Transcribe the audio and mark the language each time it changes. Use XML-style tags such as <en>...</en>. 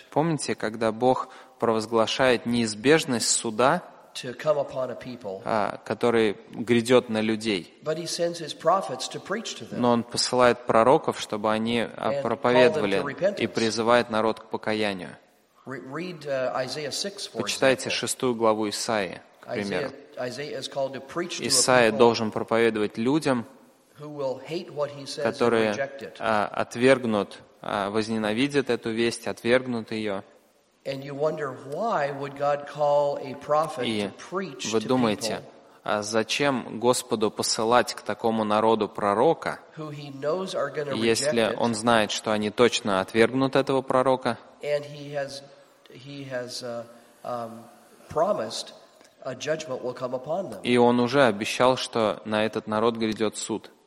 <ru>Помните, когда Бог провозглашает неизбежность суда,</ru> <en>to come upon a people,</en> <ru>который грядет на людей.</ru> <en>But he sends his prophets to preach to them.</en> <ru>Но он посылает пророков, чтобы они проповедовали и призывает народ к покаянию.</ru> <en>Read Isaiah 6, for example.</en> <ru>Почитайте шестую главу Исаии, к примеру.</ru> <en>Isaiah is called to preach to a people.</en> <ru>Исаия должен проповедовать людям, которые отвергнут, возненавидят эту весть, отвергнут ее.</ru> <en>And you wonder why would God call a prophet to preach to people?</en> <ru>А зачем Господу посылать к такому народу пророка, если он знает, что они точно отвергнут этого пророка? И он уже обещал, что на этот народ грядет суд.</ru>